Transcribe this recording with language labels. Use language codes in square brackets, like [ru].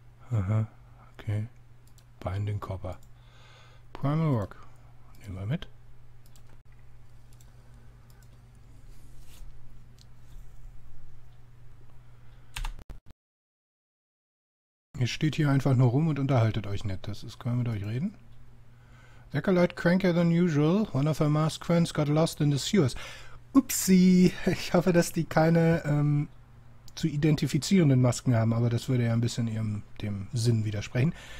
[de] Aha, okay. Binding Copper. Primal Rock. Nehmen wir mit. Ihr steht hier einfach nur rum und unterhaltet euch nett. Das ist, können wir mit euch reden? [en] Weckerleut cranker than usual. One of her masked friends got lost in the sewers. Upsie. [de] Ich hoffe, dass die keine zu identifizierenden Masken haben, aber das würde ja ein bisschen ihrem dem Sinn widersprechen.